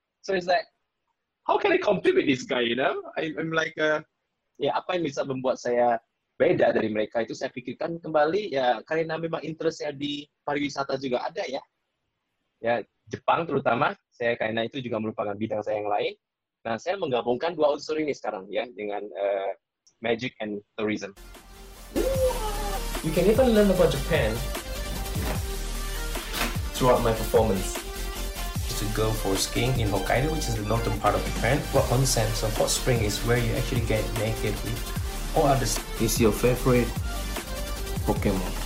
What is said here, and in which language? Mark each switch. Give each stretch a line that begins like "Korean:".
English: So it's like, how can I compete with this guy, you know? I'm like,
Indonesian: ya apa yang bisa membuat saya beda dari mereka itu saya pikirkan kembali ya karena memang interest saya di pariwisata juga ada ya. Ya Jepang terutama, saya karena itu juga merupakan bidang saya yang lain. Nah, saya menggabungkan dua unsur ini sekarang ya dengan
English: magic and tourism. You can even learn about Japan throughout my performance. To go for skiing in Hokkaido, which is the northern part of Japan. What onsen, so hot spring is where you actually get naked with all others. Is your favorite Pokemon?